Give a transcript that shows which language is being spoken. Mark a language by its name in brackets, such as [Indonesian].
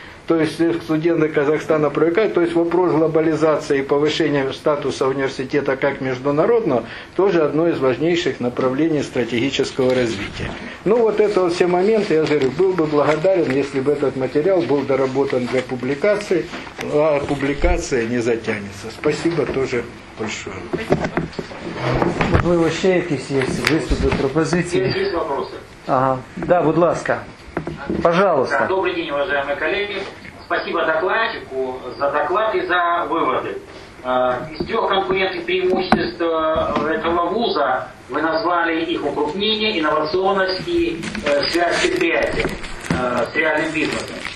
[Russian] То есть студенты Казахстана привлекают, то есть вопрос глобализации и повышения статуса университета как международного тоже одно из важнейших направлений стратегического развития. Ну вот это вот все моменты, я говорю, был бы благодарен, если бы этот материал был доработан для публикации, а публикация не затянется. Спасибо тоже большое. [Ukrainian] Можливо, ще якісь є виступи, пропозиції? Є якісь вопроси? [Russian] Ага. Да, [Ukrainian] будь ласка. [Russian] Пожалуйста. Да, [Ukrainian] добрий день, [Russian] уважаемые коллеги. Спасибо докладчику за доклад и за выводы. Из трех конкурентных преимуществ этого вуза вы назвали их укрупнение, инновационность и связь предприятий с реальным бизнесом.